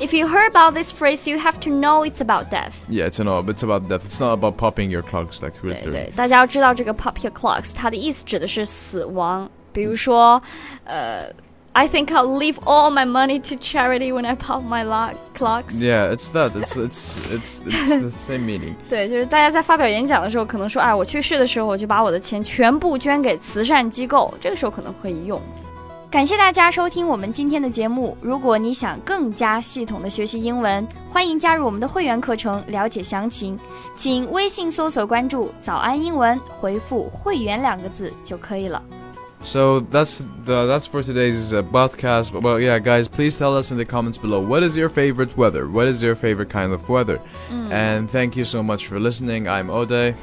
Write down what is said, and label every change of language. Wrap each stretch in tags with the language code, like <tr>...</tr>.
<en>If you heard about this phrase, you have to know it's about death. Yeah, it's about death. It's not about popping your clogs. Like, really.</en> <zh>对对，大家要知道这个 pop your clogs, 它的意思指的是死亡。比如说</zh> <en>I think I'll leave all my money to charity when I pop my clogs. Yeah, it's that. It's the same meaning.</en> <zh>对，就是大家在发表演讲的时候，可能说，哎，我去世的时候，我就把我的钱全部捐给慈善机构。这个时候可能可以用。感谢大家收听我们今天的节目。如果你想更加系统的学习英文，欢迎加入我们的会员课程，了解详情，请微信搜索关注“早安英文”，回复“会员”两个字就可以了。</zh> <en>So that's for today's podcast. Well, yeah, guys, please tell us in the comments below, what is your favorite weather? What is your favorite kind of weather? And thank you so much for listening. I'm Ode.</en>